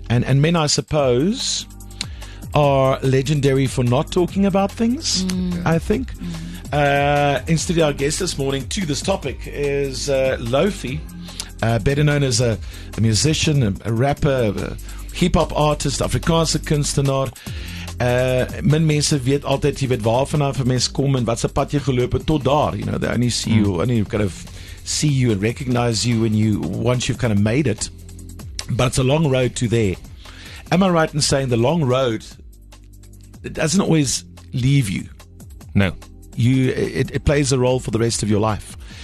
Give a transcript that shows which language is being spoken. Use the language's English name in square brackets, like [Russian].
[English] And men, I suppose, are legendary for not talking about things. Mm. I think. Mm. In studio, our guest this morning to this topic is Lofi, better known as a musician, a rapper, a hip hop artist, [Afrikaans] Afrikaanse kunstenaar. Min mense weet altyd, jy weet waar vanaf 'n mens kom en wat se pad jy geloop het tot daar. [English] You know, they only see you, only kind of see you and recognize you when you once you've kind of made it. But it's a long road to there. Am I right in saying the long road it doesn't always leave you? No. It plays a role for the rest of your life.